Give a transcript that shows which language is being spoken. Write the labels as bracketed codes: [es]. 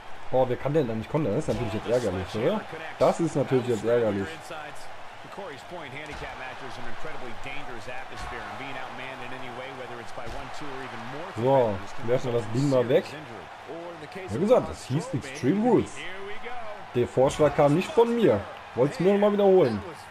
[de] Boah, wer kann denn da nicht kommen? Das ist natürlich jetzt ärgerlich, oder? Das ist natürlich jetzt ärgerlich. [en] Corey's Point Handicap Match is an incredibly dangerous atmosphere and being outmanned in any way, whether it's by one, two or even more. [de] So, werfen wir das Ding mal weg. Wie gesagt, das hieß Extreme Rules. Der Vorschlag kam nicht von mir. Wollte es nur noch mal wiederholen.